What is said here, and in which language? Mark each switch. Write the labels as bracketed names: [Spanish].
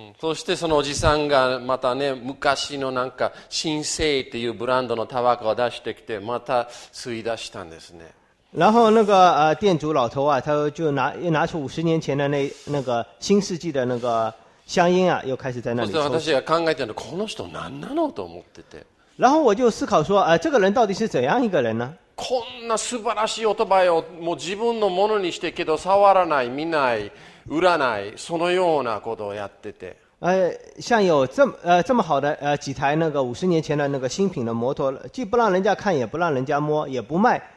[Japanese] そしてそのおじさんがまたね、昔のなんか新生っていうブランドのタバコを出してきて、また吸い出したんですね。 [Chinese] 然后那个店主老头啊，他就拿出五十年前的那个新世纪的那个香烟啊，又开始在那里抽。 [Japanese] そして私が考えてるのはこの人何なのと思ってて。 [Chinese] 然后我就思考说，这个人到底是怎样一个人呢？ [Japanese] こんな素晴らしいオートバイをもう自分のものにしてけど触らない見ない売らないそのようなことをやってて、 [Chinese] 像有这么好的几台那个五十年前的那个新品的摩托，既不让人家看，也不让人家摸，也不卖。